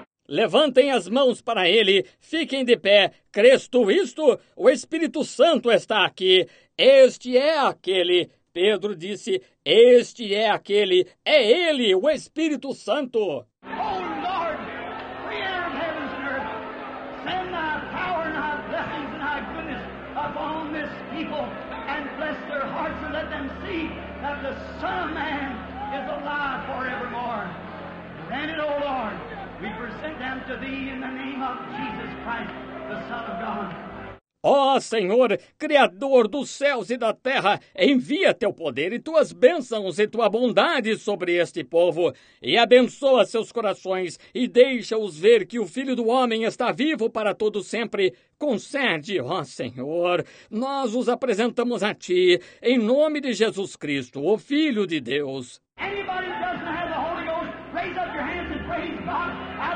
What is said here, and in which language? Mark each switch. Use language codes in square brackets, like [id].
[pt] Levantem as mãos para ele, fiquem de pé. Crês tu isto? O Espírito Santo está aqui. Este é aquele. Pedro disse, este é aquele. É ele, o Espírito Santo. [en] Oh, Lord, Creator of heaven and earth, send thy power and thy blessings and thy goodness upon this people and bless their hearts and let them see that the Son of Man is alive forevermore. Grant it, O Lord. We present them to thee in the name of Jesus Christ, the Son of God. [pt] Ó Senhor, Criador dos céus e da terra, envia teu poder e tuas bênçãos e tua bondade sobre este povo. E abençoa seus corações e deixa-os ver que o Filho do Homem está vivo para todo sempre. Concede, ó Senhor, nós os apresentamos a ti, em nome de Jesus Cristo, o Filho de Deus. [en] Anybody who doesn't have the Holy Ghost, raise up your hands and praise God.